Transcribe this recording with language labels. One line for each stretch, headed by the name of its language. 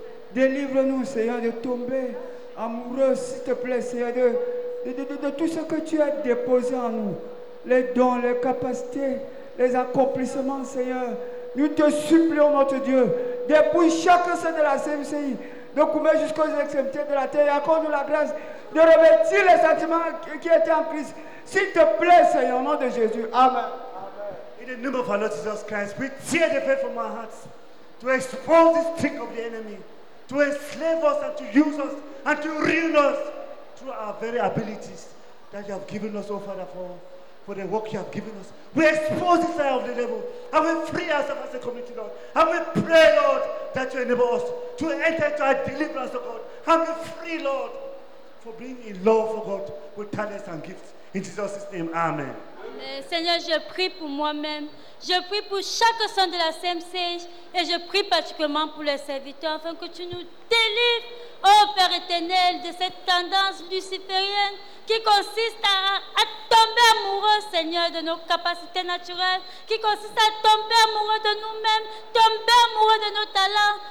French: Délivre-nous, Seigneur, de tomber amoureux, s'il te plaît, Seigneur, de tout ce que tu as déposé en nous, les dons, les capacités, les accomplissements, Seigneur. Nous te supplions, notre Dieu, dépouille chaque saint de la CMCI, de Koumé jusqu'aux extrémités de la terre, et accorde-nous la grâce de revêtir les sentiments qui étaient en Christ. S'il te plaît, Seigneur, au nom de Jésus. Amen.
English: In the name of our Lord Jesus Christ, we tear the veil from our hearts to expose this trick of the enemy, to enslave us and to use us and to ruin us through our very abilities that you have given us, oh Father, for the work you have given us. We expose this eye of the devil and we free ourselves as a community, Lord. And we pray, Lord, that you enable us to enter into our deliverance, oh God. And we free, Lord, for being in love, oh God, with talents and gifts. In Jesus' name, amen.
French: Seigneur, je prie pour moi-même. Je prie pour chaque saint de la CMC et je prie particulièrement pour les serviteurs afin que tu nous délivres, ô Père éternel, de cette tendance luciférienne qui consiste à tomber amoureux, Seigneur, de nos capacités naturelles, qui consiste à tomber amoureux de nous-mêmes, tomber amoureux de nos talents.